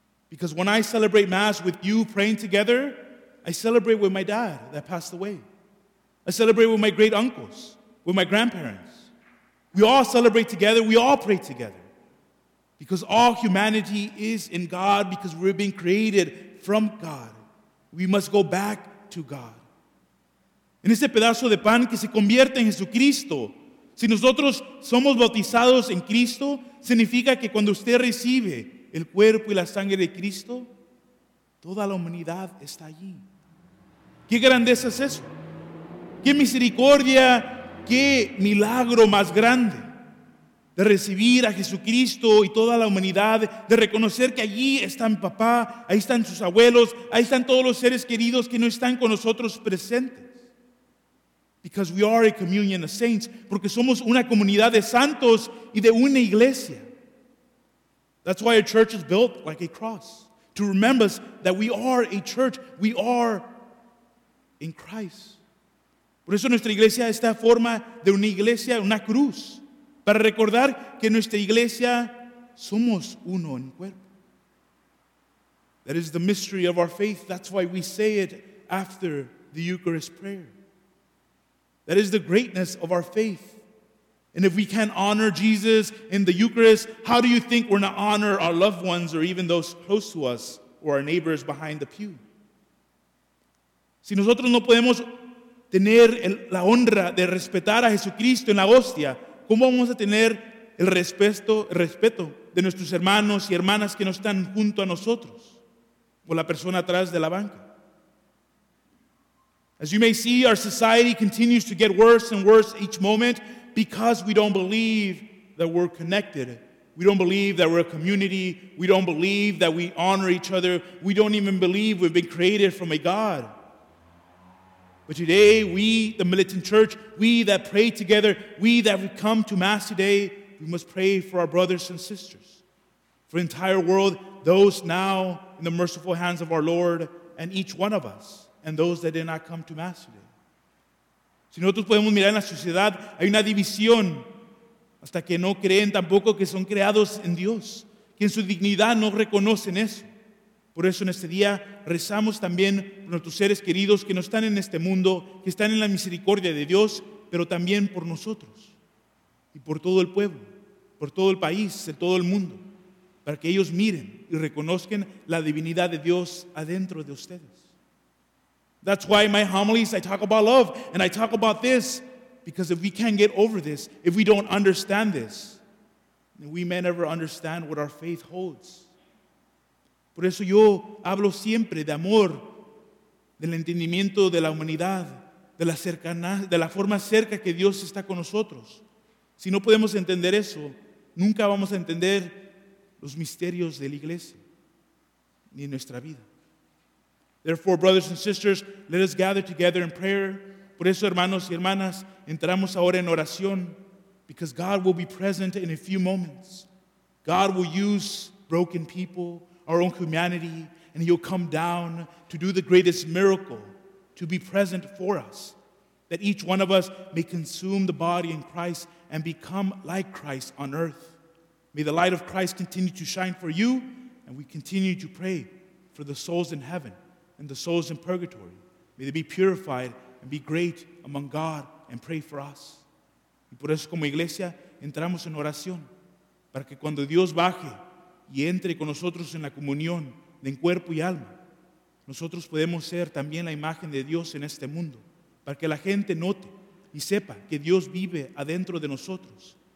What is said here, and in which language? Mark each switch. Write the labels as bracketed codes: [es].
[en] Because when I celebrate Mass with you praying together, I celebrate with my dad that passed away. I celebrate with my great uncles, with my grandparents. We all celebrate together. We all pray together. Because all humanity is in God because we're being created from God. We must go back to God. [es] En ese pedazo de pan que se convierte en Jesucristo, si nosotros somos bautizados en Cristo, significa que cuando usted recibe el cuerpo y la sangre de Cristo, toda la humanidad está allí. ¿Qué grandeza es eso? ¿Qué misericordia, qué milagro más grande de recibir a Jesucristo y toda la humanidad, de reconocer que allí está mi papá, ahí están sus abuelos, ahí están todos los seres queridos que no están con nosotros presentes? [en] Because we are a communion of saints. [es] Porque somos una comunidad de santos y de una iglesia. [en] That's why a church is built like a cross. To remember us that we are a church. We are in Christ. [es] Por eso nuestra iglesia está en forma de una iglesia, una cruz. Para recordar que nuestra iglesia somos uno en cuerpo. [en] That is the mystery of our faith. That's why we say it after the Eucharist prayer. That is the greatness of our faith. And if we can't honor Jesus in the Eucharist, how do you think we're going to honor our loved ones or even those close to us or our neighbors behind the pew? [es] Si nosotros no podemos tener la honra de respetar a Jesucristo en la hostia, ¿cómo vamos a tener el respeto de nuestros hermanos y hermanas que no están junto a nosotros o la persona atrás de la banca? [en] As you may see, our society continues to get worse and worse each moment because we don't believe that we're connected. We don't believe that we're a community. We don't believe that we honor each other. We don't even believe we've been created from a God. But today, we, the militant church, we that pray together, we that have come to Mass today, we must pray for our brothers and sisters, for the entire world, those now in the merciful hands of our Lord, and each one of us. And those that did not come to Mass today. [es] Si nosotros podemos mirar en la sociedad, hay una división hasta que no creen tampoco que son creados en Dios, que en su dignidad no reconocen eso. Por eso en este día rezamos también por nuestros seres queridos que no están en este mundo, que están en la misericordia de Dios, pero también por nosotros y por todo el pueblo, por todo el país, en todo el mundo, para que ellos miren y reconozcan la divinidad de Dios adentro de ustedes. [en] That's why in my homilies I talk about love and I talk about this, because if we can't get over this, if we don't understand this, then we may never understand what our faith holds. [es] Por eso yo hablo siempre de amor, del entendimiento de la humanidad, de la forma cerca que Dios está con nosotros. Si no podemos entender eso, nunca vamos a entender los misterios de la iglesia ni nuestra vida. [en] Therefore, brothers and sisters, let us gather together in prayer. [es] Por eso, hermanos y hermanas, entramos ahora en oración, [en] because God will be present in a few moments. God will use broken people, our own humanity, and he'll come down to do the greatest miracle, to be present for us, that each one of us may consume the body in Christ and become like Christ on earth. May the light of Christ continue to shine for you, and we continue to pray for the souls in heaven and the souls in purgatory. May they be purified and be great among God and pray for us. [es] Y por eso como iglesia entramos en oración, para que cuando Dios baje y entre con nosotros en la comunión de cuerpo y alma, nosotros podemos ser también la imagen de Dios en este mundo, para que la gente note y sepa que Dios vive adentro de nosotros.